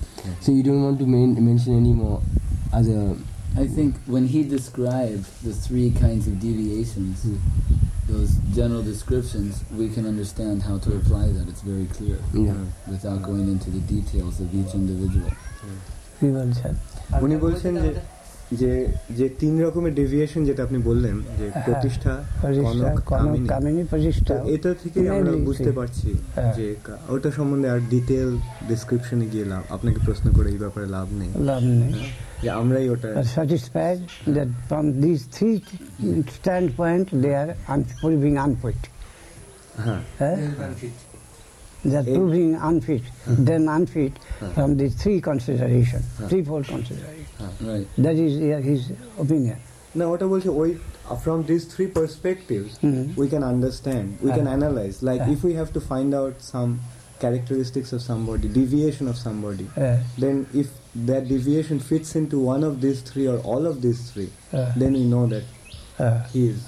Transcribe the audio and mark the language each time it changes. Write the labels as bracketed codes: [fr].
[en] Yeah. So you don't want to mention any more as a... I think when he described the three kinds of deviations, those general descriptions, we can understand how to apply that. It's very clear without going into the details of each individual. He wants that. [bn] উনি বলছেন যে যে তিন রকমের deviation যেটা আপনি বললেন, যে প্রতিষ্ঠা, কনক, কামিনী, কামিনী প্রতিষ্ঠা, এটা থেকে আমরা বুঝতে পারছি যে ওটা সম্বন্ধে আর ডিটেইল ডেসক্রিপশনে গিয়ে লাভ, আপনাকে প্রশ্ন করে এই ব্যাপারে লাভ নেই, লাভ নেই যে আমরাই ওটা [en] Satisfied that from this three stand point they are proving unfit. হ্যাঁ, they are proving unfit then unfit from this three consideration, three four consideration, right? That is his opinion. Now what I will say, from these three perspectives we can understand, we can analyze, like if we have to find out some characteristics of somebody, deviation of somebody, then if that deviation fits into one of these three or all of these three, then we know that he is